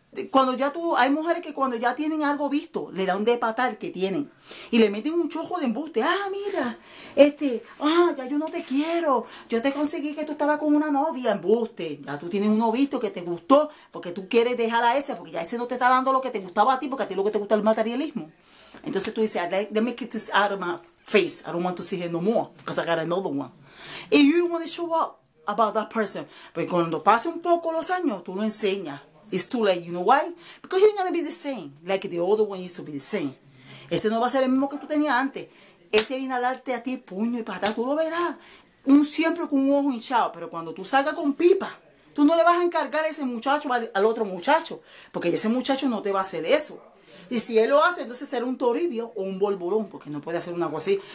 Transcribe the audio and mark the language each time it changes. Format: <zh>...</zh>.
<es>cuando ya tú, hay mujeres que cuando ya tienen algo visto, le dan de patar que tienen y le meten un chojo de embuste. Ah, mira, ya yo no te quiero, yo te conseguí que tú estabas con una novia, embuste. Ya tú tienes uno visto que te gustó porque tú quieres dejar a ese, porque ya ese no te está dando lo que te gustaba a ti, porque a ti lo que te gusta es el materialismo. Entonces tú dices,</es> <en>let me get this out of my face, I don't want to see him no more, because I got another one. And you don't want to show up about that person.</en> <es>Pero cuando pase un poco los años, tú lo enseñas.</es> <en>It's too late, you know why? Because you're going to be the same, like the other one used to be the same.</en> <es>Ese no va a ser el mismo que tú tenías antes. Ese viene a darte a ti puño y patada, tú lo verás. Siempre con un ojo hinchado, pero cuando tú salgas con pipa, tú no le vas a encargar a ese muchacho al otro muchacho, porque ese muchacho no te va a hacer eso. Y si él lo hace, entonces será un toribio o un bolbolón, porque no puede hacer una cosa así.</es>